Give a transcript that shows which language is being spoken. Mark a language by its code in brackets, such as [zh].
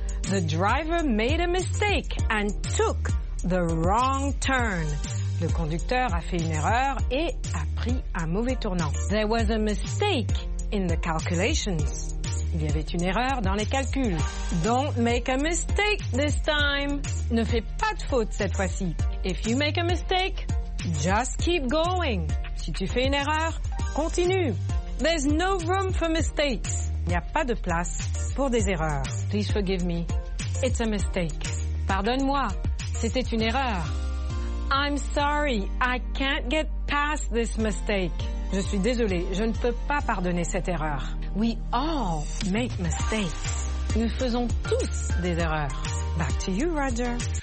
[en] The driver made a mistake and took the wrong turn. [fr] Le conducteur a fait une erreur et a pris un mauvais tournant. [en] There was a mistake in the calculations. [fr] Il y avait une erreur dans les calculs. [en] Don't make a mistake this time. [fr] Ne fais pas de faute cette fois-ci. [en] If you make a mistake, just keep going. [fr] Si tu fais une erreur, continue. [en] There's no room for mistakes. [fr] Il n'y a pas de place pour des erreurs. [en] Please forgive me. It's a mistake. [fr] Pardonne-moi. C'était une erreur. [en] I'm sorry. I can't get past this mistake. [fr] Je suis désolée. Je ne peux pas pardonner cette erreur. [en] We all make mistakes. [fr] Nous faisons tous des erreurs. [en] Back to you, Roger.